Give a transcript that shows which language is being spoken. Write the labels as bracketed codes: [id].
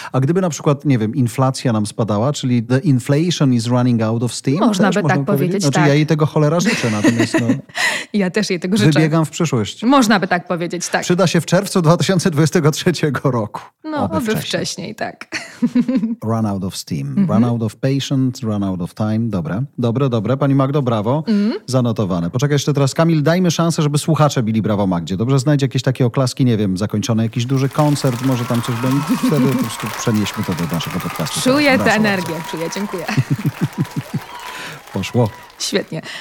[pl] A gdyby na przykład, nie wiem, inflacja nam spadała, czyli [en] the inflation is running out of steam? [pl] Można by tak powiedzieć, znaczy, tak. Ja jej tego cholera życzę, natomiast no... Ja też jej tego życzę. Wybiegam w przyszłość. Można by tak powiedzieć, tak. Przyda się w czerwcu 2023 roku. No, oby wcześniej, tak. [en] Run out of steam. Mm-hmm. Run out of patience, run out of time. [pl] Dobre. Pani Magdo, brawo. Mm-hmm. Zanotowane. Poczekaj jeszcze teraz, Kamil, dajmy szansę, żeby słuchacze bili brawo Magdzie. Dobrze, znajdź jakieś takie oklaski, nie wiem, zakończony jakiś duży koncert, może tam coś będzie. Wtedy po prostu przenieśmy to do naszego podcastu. Czuję tę energię. Czuję, dziękuję. Poszło. Świetnie.